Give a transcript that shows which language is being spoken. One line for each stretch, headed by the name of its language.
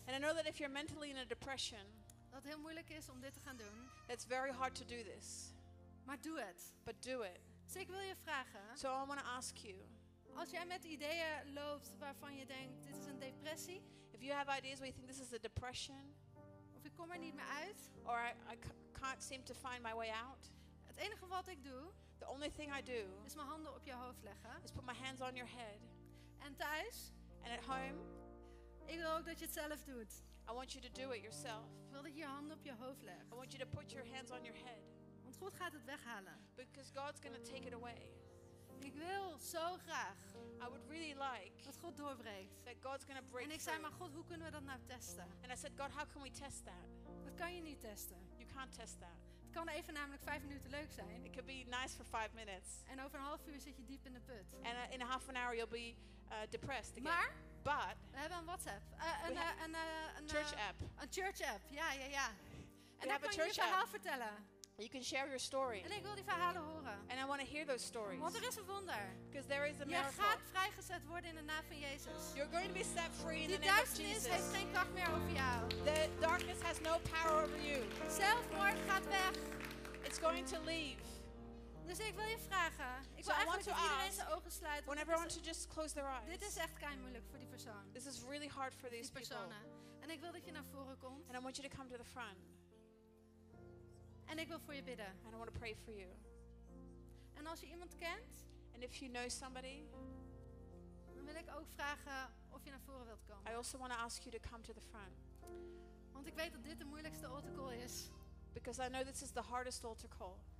English: And I know that if you're mentally in a depression.
Dutch: Dat heel moeilijk is om dit te gaan doen.
English: It's very hard to do this.
Dutch: Maar doe het.
English: But do it.
Dutch: Dus ik wil je vragen.
English: So I want to ask you.
Dutch: Als jij met ideeën loopt waarvan je denkt dit is een depressie.
English: If you have ideas where you think this is a depression.
Dutch: Of ik kom er niet meer uit.
English: Or I can't seem to find my way out.
Dutch: Het enige wat ik doe.
English: The only thing I do.
Dutch: Is mijn handen op je hoofd leggen.
English: Is put my hands on your head.
Dutch: En thuis.
English: And at home.
Dutch: Ik wil ook dat je het zelf doet.
English: I want you to do it yourself.
Dutch: Ik wil dat je handen op je hoofd legt.
English: I want you to put your hands on your head.
Dutch: Want God gaat het weghalen.
English: Because God's going to take it away.
Dutch: Ik wil zo graag.
English: I would really like.
Dutch: Dat God doorbreekt.
English: That God's going to break.
Dutch: En ik zei, maar God, hoe kunnen we dat nou testen?
English: And I said, God, how can we test that?
Dutch: Dat kan je niet testen.
English: You can't test that.
Dutch: Het kan even namelijk 5 minuten leuk zijn.
English: It could be nice for 5 minutes.
Dutch: En over een half uur zit je diep in de put.
English: And in a half an hour you'll be depressed again.
Dutch: Maar.
English: But
Dutch: we hebben een WhatsApp. Een church app. Ja. En we daar kan je je verhaal vertellen.
English: You can share your story.
Dutch: En ik wil die verhalen horen.
English: And I want to hear those stories.
Dutch: Want er is een wonder.
English: Because there is a miracle.
Dutch: Je gaat vrijgezet worden in de naam van Jezus.
English: You're going to be set free in
Dutch: die
English: the name of Jesus.
Dutch: Die duisternis heeft geen kracht meer over jou.
English: The darkness has no power over you.
Dutch: Zelfmoord gaat weg.
English: It's going to leave.
Dutch: Dus ik wil je vragen. Ik wil eigenlijk dat iedereen zijn ogen sluit.
English: When everyone should just close their eyes.
Dutch: Dit is echt kei moeilijk voor die persoon.
English: This is really hard for these
Dutch: personen.
English: People.
Dutch: En ik wil dat je naar voren komt.
English: And I want you to come to the front.
Dutch: En ik wil voor je bidden.
English: And I want to pray for you.
Dutch: En als je iemand kent.
English: And if you know somebody.
Dutch: Dan wil ik ook vragen of je naar voren wilt komen.
English: I also want to ask you to come to the front.
Dutch: Want ik weet dat dit de moeilijkste altar call is.
English: Because I know this is the hardest altar call.